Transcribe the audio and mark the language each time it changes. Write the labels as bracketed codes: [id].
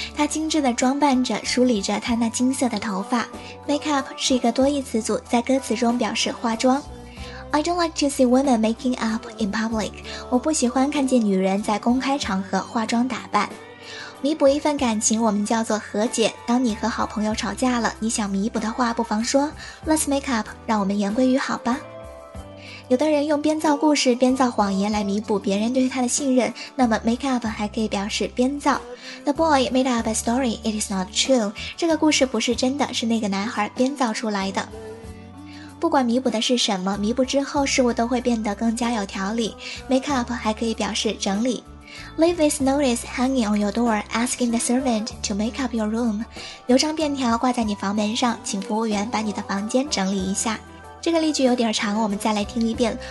[zh] 她精致地装扮着，梳理着她那金色的头发。 Makeup 是一个多义词组，在歌词中表示化妆。 [en] I don't like to see women making up in public. [zh] 我不喜欢看见女人在公开场合化妆打扮。弥补一份感情，我们叫做和解。当你和好朋友吵架了，你想弥补的话，不妨说 [en] Let's make up， [zh] 让我们言归于好吧。有的人用编造故事、编造谎言来弥补别人对他的信任，那么 make up 还可以表示编造。 [en] The boy made up a story, it is not true. [zh] 这个故事不是真的，是那个男孩编造出来的。不管弥补的是什么，弥补之后事物都会变得更加有条理。 make up 还可以表示整理。 [en] Leave this notice hanging on your door, asking the servant to make up your room. [zh] 留张便条挂在你房门上，请服务员把你的房间整理一下。这个例句有点长，我们再来听一遍。